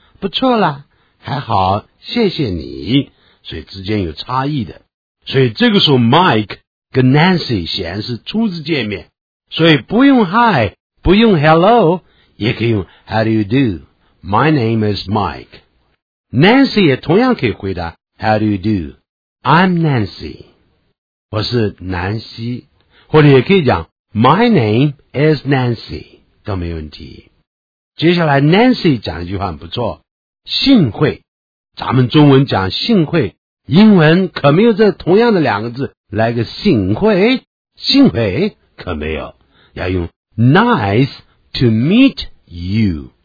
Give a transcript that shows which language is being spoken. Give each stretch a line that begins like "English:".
Chinese: 不错啦，还好，谢谢你。所以之间有差异的。所以这个时候 Mike 跟 Nancy 显然是初次见面，所以不用 Hi, 不用 Hello, 也可以用
English: How do you do? My name is Mike.
Chinese: Nancy 也同样可以回答
English: How do you do? I'm Nancy.
Chinese: 我是南希，或者也可以讲
English: My name is Nancy,
Chinese: 都没问题。接下来 Nancy 讲一句话很不错，幸会。咱们中文讲幸会，英文可没有这同样的两个字，来个幸会，幸会可没有，要用
English: nice to meet you。